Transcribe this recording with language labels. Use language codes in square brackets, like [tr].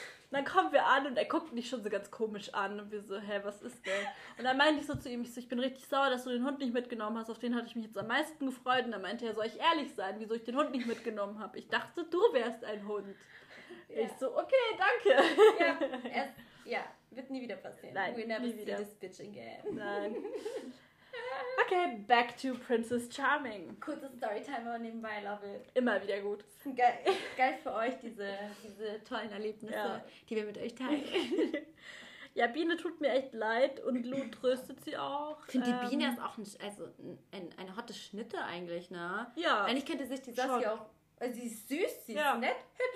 [de] Dann kommen wir an und er guckt mich schon so ganz komisch an und wir so, hä, was ist denn? Und dann meinte ich so zu ihm, ich so, ich bin richtig sauer, dass du den Hund nicht mitgenommen hast, auf den hatte ich mich jetzt am meisten gefreut. Und dann meinte er, soll ich ehrlich sein, wieso ich den Hund nicht mitgenommen habe? Ich dachte, du wärst ein Hund. Ja. Ich so, okay, danke. Ja, wird nie wieder passieren. Nein, [en] we never see this bitch again. [de] Nein. [en] Okay, back to Princess Charming. [de] Kurze Storytimer nebenbei, [en] love it. [de] Immer wieder gut. Geil für euch, diese tollen Erlebnisse, die wir mit euch teilen. Ja, Biene tut mir echt leid und Lu tröstet sie auch. Ich finde, die Biene ist auch eine hotte Schnitte eigentlich, ne? Ja. Eigentlich könnte sich die Saskia auch Also sie ist süß, sie ist nett, hübsch.